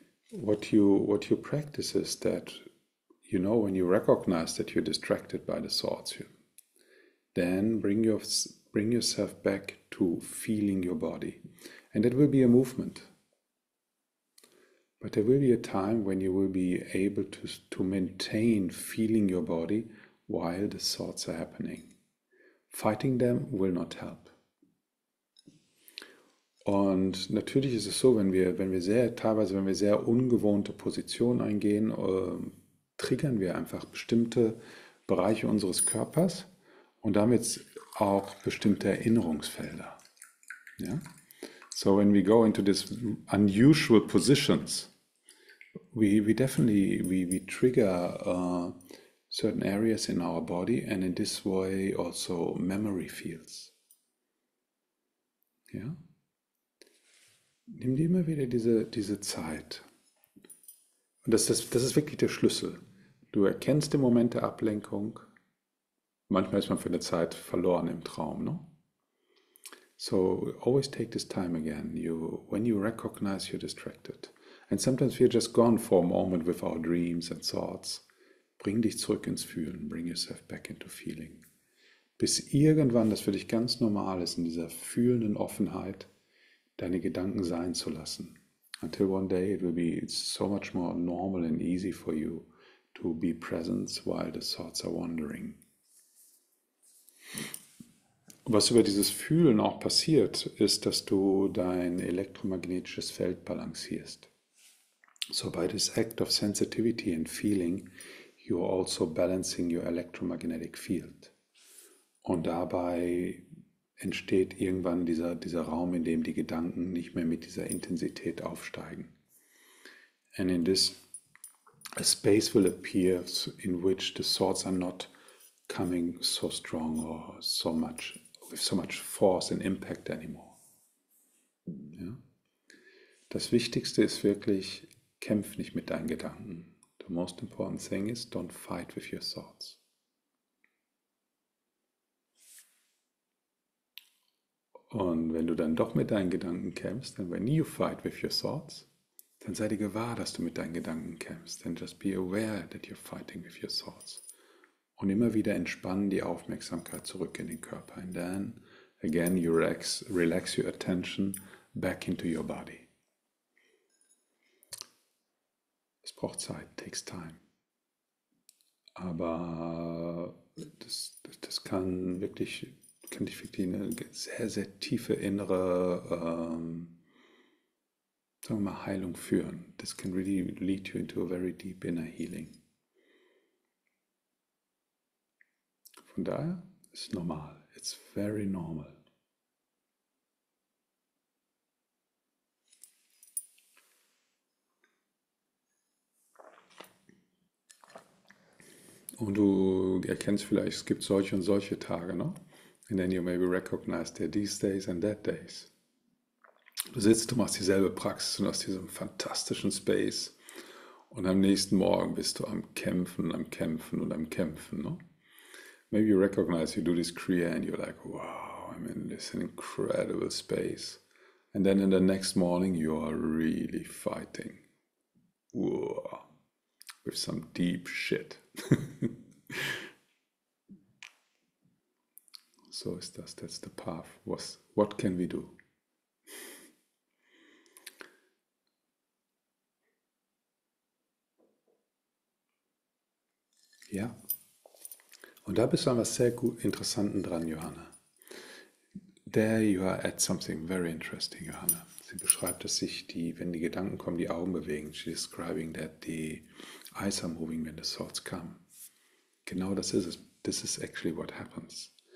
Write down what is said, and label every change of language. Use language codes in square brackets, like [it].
[en] What you practice is that, you know, when you recognize that you're distracted by the thoughts, then bring yourself back to feeling your body. And that will be a movement. But there will be a time when you will be able to maintain feeling your body while the thoughts are happening. Fighting them will not help. [de] Und natürlich ist es so, teilweise, wenn wir sehr ungewohnte Positionen eingehen, triggern wir einfach bestimmte Bereiche unseres Körpers und damit auch bestimmte Erinnerungsfelder. Ja? [en] So, when we go into this unusual positions, we definitely we trigger certain areas in our body and in this way also memory fields. [de] Ja? Nimm dir immer wieder diese Zeit. Und das ist wirklich der Schlüssel. Du erkennst im Moment der Ablenkung. Manchmal ist man für eine Zeit verloren im Traum, ne? [en] So, always take this time again. When you recognize you're distracted. And sometimes we're just gone for a moment with our dreams and thoughts. [de] Bring dich zurück ins Fühlen. [en] Bring yourself back into feeling. [de] Bis irgendwann das für dich ganz normal ist, in dieser fühlenden Offenheit, deine Gedanken sein zu lassen. [en] Until one day it will be so much more normal and easy for you to be present while the thoughts are wandering. [de] Was über dieses Fühlen auch passiert, ist, dass du dein elektromagnetisches Feld balancierst. [en] So by this act of sensitivity and feeling, you are also balancing your electromagnetic field. [de] Und dabei entsteht irgendwann dieser Raum, in dem die Gedanken nicht mehr mit dieser Intensität aufsteigen. [en] And in this, a space will appear in which the thoughts are not coming so strong or so much, with so much force and impact anymore. [de] Ja? Das Wichtigste ist wirklich, kämpf nicht mit deinen Gedanken. [en] The most important thing is, don't fight with your thoughts. [de] Und wenn du dann doch mit deinen Gedanken kämpfst, dann [en] when you fight with your thoughts, [de] dann sei dir gewahr, dass du mit deinen Gedanken kämpfst. [en] Then just be aware that you're fighting with your thoughts. [de] Und immer wieder entspannen die Aufmerksamkeit zurück in den Körper. [en] And then, again, you relax your attention back into your body. [de] Es braucht Zeit, [en] takes time. [de] Aber das kann wirklich kann dich wirklich eine sehr, sehr tiefe innere, sagen wir mal, Heilung führen. [en] This can really lead you into a very deep inner healing. [de] Von daher ist es normal. [en] It's very normal. [de] Und du erkennst vielleicht, es gibt solche und solche Tage, ne? [en] And then you maybe recognize that these days and that days. [de] Du sitzt, du machst dieselbe Praxis und aus diesem fantastischen Space. Und am nächsten Morgen bist du am Kämpfen und am Kämpfen und am Kämpfen. Ne? [en] Maybe you recognize you do this Kriya and you're like, wow, I'm in this incredible space. And then in the next morning you are really fighting. Whoa, with some deep shit. [de] So ist das, [en] that's the path. What can we do? [de] Ja, und da bist du an was sehr gut Interessanten dran, Johanna. [en] There you are at something very interesting, Johanna. [de] Sie beschreibt, dass sich die, wenn die Gedanken kommen, die Augen bewegen. [en] She's describing that the eyes are moving when the thoughts come. [de] Genau das ist es. [en] This is actually what happens.